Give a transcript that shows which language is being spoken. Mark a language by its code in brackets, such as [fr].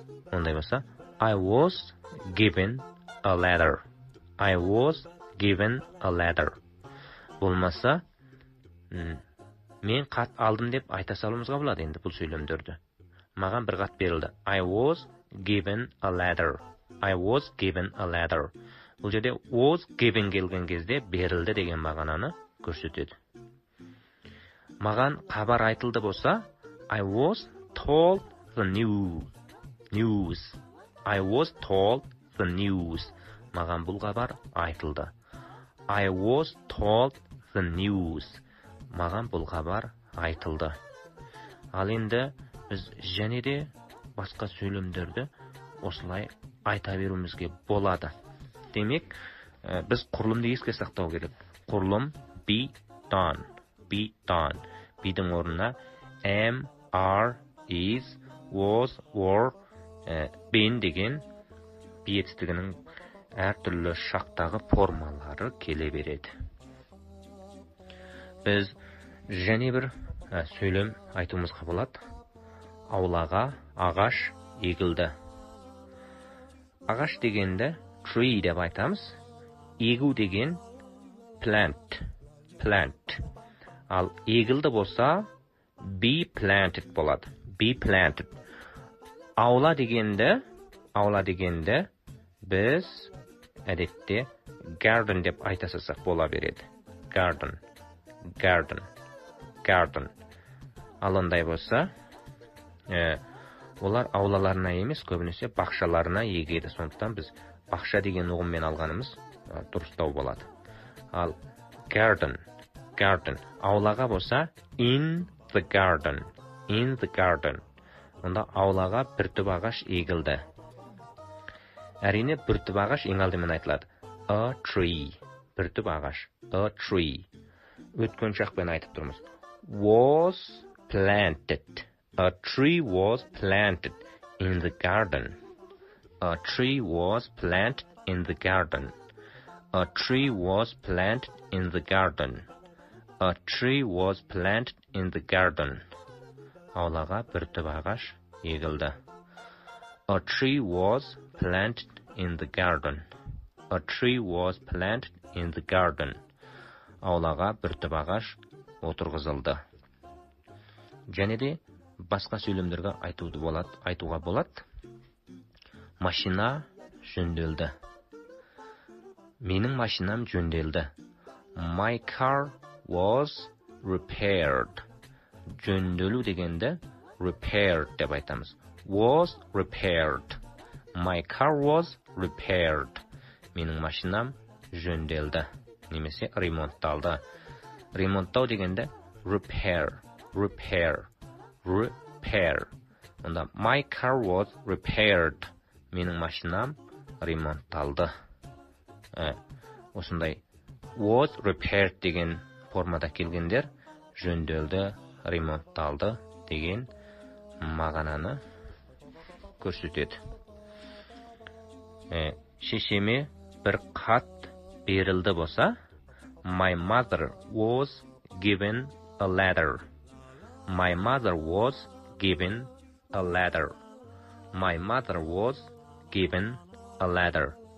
[kk] Ондай болса, [en] I was given a letter. I was given a letter. [kk] Болмаса, Мен қат алдым деп айта салуымызға болады енді бұл сөйлемдерді. Маған бір қат берілді. [en] I was given a letter. I was given a letter. [kk] Бұл жерде [en] was given [kk] келген кезде берілді деген мағынаны көрсетеді. Маған хабар айтылды болса, [en] I was told the news. I was told the news. [kk] Маған бұл хабар айтылды. [en] I was told the news. [kk] Маған бұл хабар айтылды. Ал енді біз және де басқа сөйлемдерді осылай айта беруімізге болады. Демек, біз құрылымды еске сақтау керек. Құрылым [en] be done. Be done. [kk] Бидің орнына am, are, is, was, were, been деген be етістігінің әр түрлі шақтағы формалары келе береді. Біз және бір сөйлем айтуымызға болады. Аулаға ағаш егілді. Ағаш дегенді tree деп айтамыз. Егу деген plant. [en] Plant. [kk] Ал егілді болса [en] be planted [kk] болады. [en] Be planted. [kk] Аула дегенді біз әдетте garden деп айтасақ бола береді. [en] Garden. Garden. Garden. [kk] Алындай болса, олар аулаларына емес, көбінесе бақшаларына егеді. Сондықтан біз бақша деген ұғыммен алғанымыз дұрыстау болады. [en] Ал garden. Garden. [kk] Аулаға болса [en] in the garden. In the garden. [kk] Онда аулаға бір түп ағаш егілді. Әрине бір түп ағаш ең алдымен айтылады. [en] A tree. [kk] Бір түп ағаш. [en] A tree. [kk] Өткен шақпен айтып тұрмыз. [en] Was planted. A tree was planted in the garden. A tree was planted in the garden. A tree was planted in the garden. A tree was planted in the garden. [kk] Аулаға бір түп ағаш егілді. [en] A tree was planted in the garden. A tree was planted in the garden. [kk] Аулаға бір түп ағаш отырғызылды. Және де басқа сөйлемдерге айтуға болады. Машина жөнделді. Менің машинам жөнделді. [en] My car was repaired. [kk] Жөнделу дегенді repaired деп айтамыз. [en] Was repaired. My car was repaired. [kk] Менің машинам жөнделді. Немесе ремонтталды. Ремонттау дегенді repair. [en] Repair. Repair. [kk] Онда [en] my car was repaired. [kk] Менің машинам ремонтталды. Осындай [en] was repaired [kk] деген формада келгендер жөнделді, ремонтталды деген мағынаны көрсетеді. Шешеме бір хат берілді болса, [en] my mother was given a letter. My mother was given a letter. My mother was given a letter.